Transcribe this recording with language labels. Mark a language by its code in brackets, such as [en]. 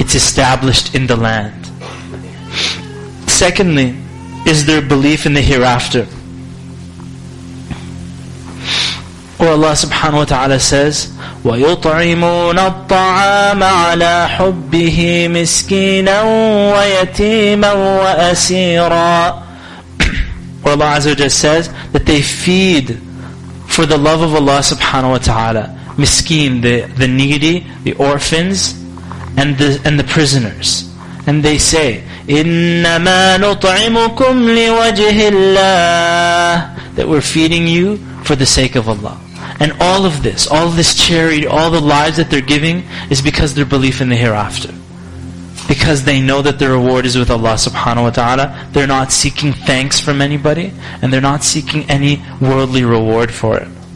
[en] It's established in the land. Secondly, is their belief in the hereafter. Or Allah subhanahu wa ta'ala says, [ar] وَيُطْعِمُونَ الطَّعَامَ عَلَىٰ حُبِّهِ مِسْكِينًا وَيَتِيمًا وَأَسِيرًا. [en] Or Allah Azza wa Jalla says that they feed for the love of Allah subhanahu wa ta'ala, miskeen, the needy, the orphans, and the prisoners. And they say, [ar] إِنَّمَا نُطْعِمُكُمْ لِوَجْهِ اللَّهِ. [en] That we're feeding you for the sake of Allah. And all of this charity, all the lives that they're giving, is because their belief in the hereafter. Because they know that their reward is with Allah subhanahu wa ta'ala. They're not seeking thanks from anybody, and they're not seeking any worldly reward for it.